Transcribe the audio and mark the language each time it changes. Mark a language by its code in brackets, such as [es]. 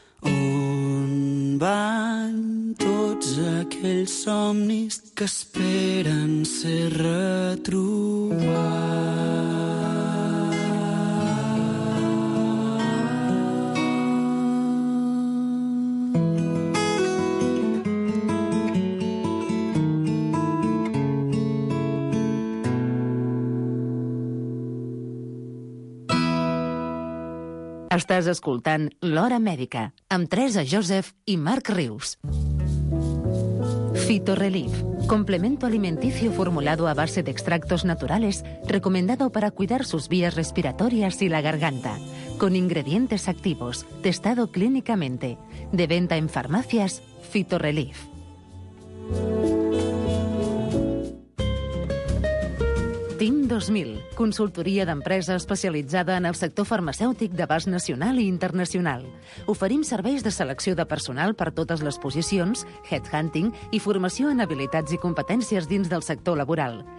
[ca] on van tots aquells somnis que esperen ser retrobats. Estàs escoltant L'Hora Mèdica amb Teresa Joseph i Marc Rius. [es] Fitorrelief, complemento alimenticio formulado a base de extractos naturales, recomendado para cuidar sus vías respiratorias y la garganta, con ingredientes activos, testado clínicamente, de venta en farmacias Fitorrelief. [ca] TIM 2000, consultoria d'empresa especialitzada en el sector farmacèutic d'abast nacional i internacional. Oferim serveis de selecció de personal per totes les posicions, headhunting i formació en habilitats i competències dins del sector laboral.